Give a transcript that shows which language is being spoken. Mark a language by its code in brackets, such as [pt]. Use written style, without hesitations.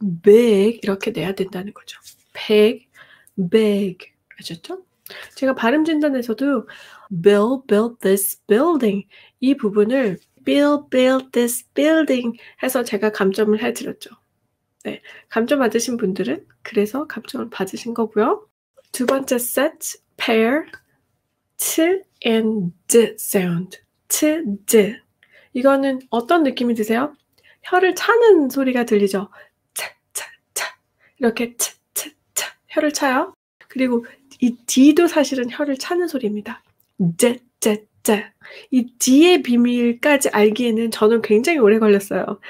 [ko] big 이렇게 내야 된다는 거죠. big, big 아셨죠? 제가 발음 진단에서도 [en] Bill built this building [ko] 이 부분을 Bill built this building 해서 제가 감점을 해드렸죠. 네, 감점 받으신 분들은 그래서 감점을 받으신 거고요. 두 번째 set, [en] pair, t and d sound, [ko] t, d. 이거는 어떤 느낌이 드세요? 혀를 차는 소리가 들리죠? 차, 차, 차 이렇게 차, 차, 차 혀를 차요. 그리고 이 D도 사실은 혀를 차는 소리입니다. 쨔, 쨔, 쨔. 이 D의 비밀까지 알기에는 저는 굉장히 오래 걸렸어요.